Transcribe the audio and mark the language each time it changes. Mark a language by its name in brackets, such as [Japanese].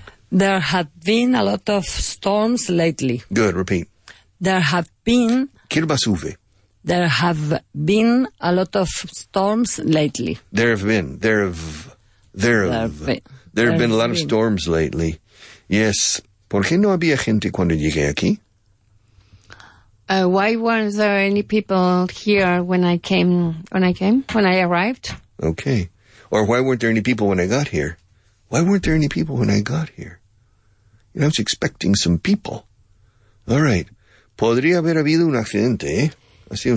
[English] There have been a lot of storms lately. Good, repeat. There have been... Kirbasuve. There have been a lot of storms lately. There have been. There have been a lot of storms lately. Yes. [Spanish] ¿Por qué no había gente cuando llegué aquí? [English] Why weren't there any people here when I arrived? Okay. Or why weren't there any people when I got here? Why weren't there any people when I got here? You know, I was expecting some people. All right. [Spanish] Podría haber habido un accidente, eh?